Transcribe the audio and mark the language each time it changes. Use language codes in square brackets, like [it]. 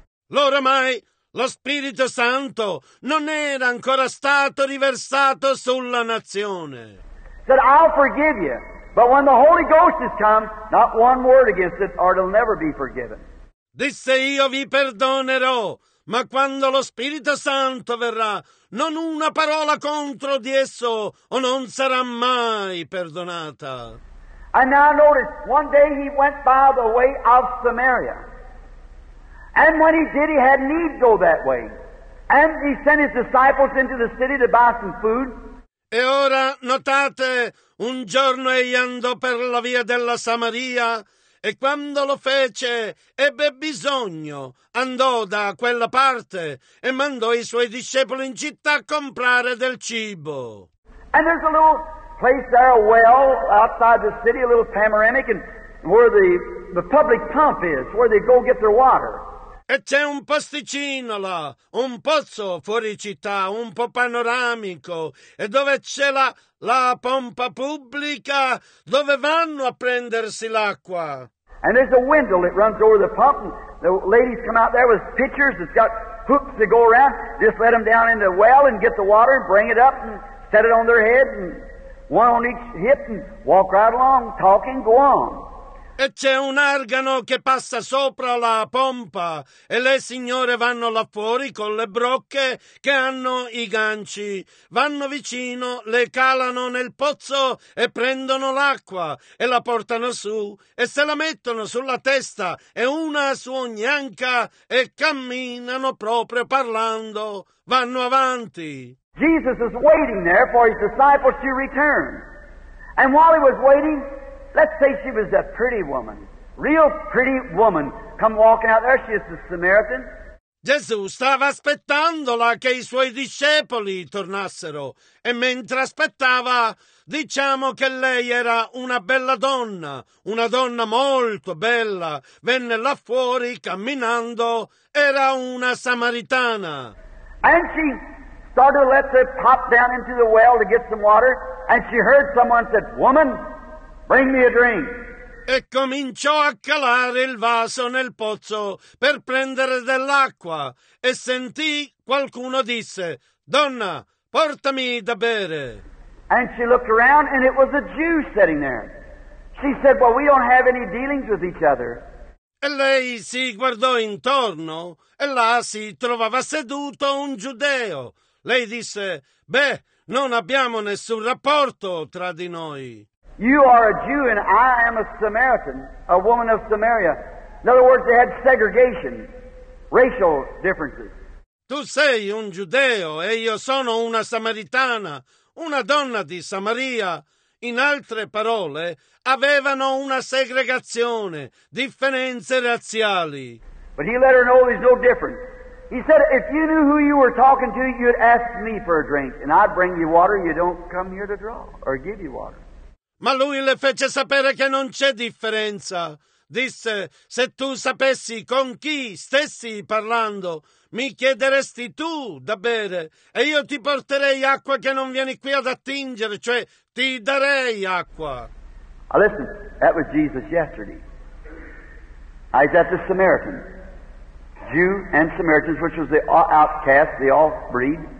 [it] Loro mai lo Spirito Santo non era ancora stato riversato sulla nazione. [en] Said, I'll forgive you. But when the Holy Ghost has come, not one word against it, or it'll never be forgiven. [it] Disse, io vi perdonerò, ma quando lo Spirito Santo verrà, non una parola contro di esso, o non sarà mai perdonata. [en] And now notice, one day he went by the way of Samaria. And when he did, he had need to go that way. And he sent his disciples into the city to buy some food. [it] E ora, notate, un giorno egli andò per la via della Samaria e quando lo fece ebbe bisogno, andò da quella parte e mandò i suoi discepoli in città a comprare del cibo. [en] And there's a little place there, a well, outside the city, a little panoramic, and where the public pump is, where they go get their water. [it] E c'è un posticino là, un pozzo fuori città, un po' panoramico, e dove c'è la pompa pubblica, dove vanno a prendersi l'acqua. [en] And there's a window that runs over the pump, and the ladies come out there with pitchers, it's got hooks to go around, just let them down in the well and get the water, and bring it up and set it on their head, and one on each hip, and walk right along, talking, go on. [it] E c'è un argano che passa sopra la pompa e le signore vanno là fuori con le brocche che hanno i ganci. Vanno vicino, le calano nel pozzo e prendono l'acqua e la portano su e se la mettono sulla testa e una su ogni anca e camminano proprio parlando. Vanno avanti. [en] Jesus is waiting there for his disciples to return. And while he was waiting, let's say she was a pretty woman, real pretty woman, come walking out there. She is the Samaritan. [it] Gesù stava aspettandola che i suoi discepoli tornassero. E mentre aspettava, diciamo che lei era una donna molto bella. Venne là fuori camminando, era una samaritana. [en] And she started to let the pop down into the well to get some water, and she heard someone said, "Woman, bring me a drink." [it] E cominciò a calare il vaso nel pozzo per prendere dell'acqua e sentì qualcuno disse, "Donna, portami da bere." [en] And she looked around and it was a Jew sitting there. She said, "Well, we don't have any dealings with each other." [it] E lei si guardò intorno e là si trovava seduto un giudeo. Lei disse, "Beh, non abbiamo nessun rapporto tra di noi." [en] You are a Jew and I am a Samaritan, a woman of Samaria. In other words, they had segregation, racial differences. [it] Tu sei un giudeo e io sono una samaritana, una donna di Samaria. In altre parole, avevano una segregazione, differenze razziali. [en] But he let her know there's no difference. He said, "If you knew who you were talking to, you'd ask me for a drink and I'd bring you water. You don't come here to draw or give you water." [it] Ma lui le fece sapere che non c'è differenza. Disse, "Se tu sapessi con chi stessi parlando, mi chiederesti tu da bere e io ti porterei acqua che non vieni qui ad attingere, cioè ti darei acqua." [en] Now listen, that was Jesus yesterday. I was at the Samaritan. Jew and Samaritans, which was the outcast, the off-breed.